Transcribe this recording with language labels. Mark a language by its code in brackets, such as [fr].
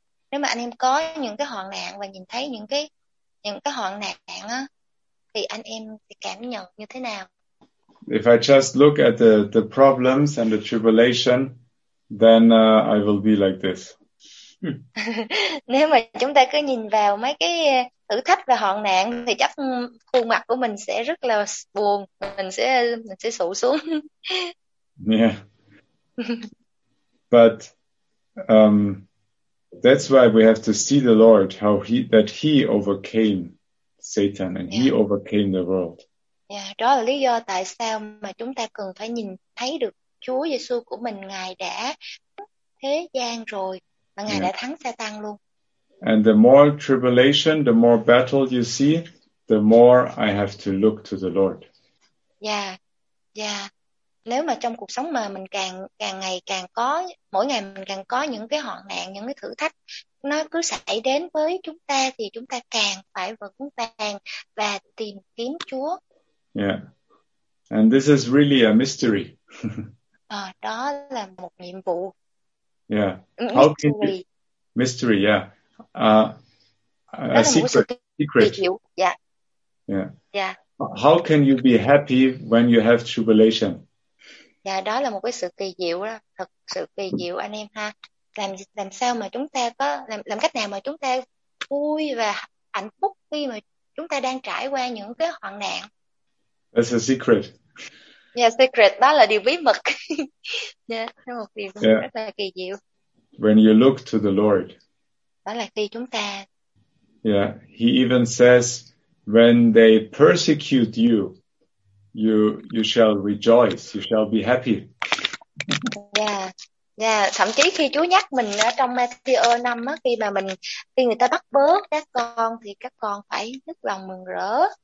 [vi] Nếu mà anh em có những cái hoạn nạn và nhìn thấy những cái hoạn nạn á, thì anh em cảm nhận như thế nào? [en] If I just look at the problems and the tribulation, then I will be like this. [vi] Nếu mà chúng ta cứ nhìn vào mấy cái thử thách và hoạn nạn thì chắc khuôn mặt của mình sẽ rất là buồn, mình sẽ sụ xuống. [en] Yeah. But that's why we have to see the Lord, how he overcame Satan and yeah. He overcame the world. [vi] Yeah, đó là lý do tại sao mà chúng ta cần phải nhìn thấy được Chúa Giêsu của mình, Ngài đã thế gian rồi và Ngài yeah. đã thắng Satan luôn. [en] And the more tribulation, the more battle you see, the more I have to look to the Lord. Yeah. Yeah. [vi] Nếu mà trong cuộc sống mà mình càng ngày càng có, mỗi ngày mình càng có những cái hoạn nạn, những cái thử thách nó cứ xảy đến với chúng ta, thì chúng ta càng phải vững vàng và tìm kiếm Chúa. [en] Yeah. And this is really a mystery. [vi] Đó là một nhiệm vụ. [en] Yeah. How mystery. Can you... Mystery, yeah. A secret. Secret. Yeah. Yeah. Yeah. How can you be happy when you have tribulation? [vi] Yeah, đó là một cái sự kỳ diệu đó, thật sự kỳ diệu anh em ha. Làm sao mà chúng ta có làm cách nào mà chúng ta vui và hạnh phúc khi mà chúng ta đang trải qua những cái hoạn nạn? [en] That's a secret. [vi] Yeah, secret, đó là điều bí mật. Yeah, một điều rất là kỳ diệu. [en] When you look to the Lord. [vi] Đó là khi chúng ta. [en] Yeah, he even says when they persecute you, You shall rejoice, you shall be happy. Yeah, yeah. [vi] Thậm chí khi Chúa nhắc mình trong Matthew 5 á, khi người ta bắt bớ các con thì các con phải nức lòng mừng rỡ.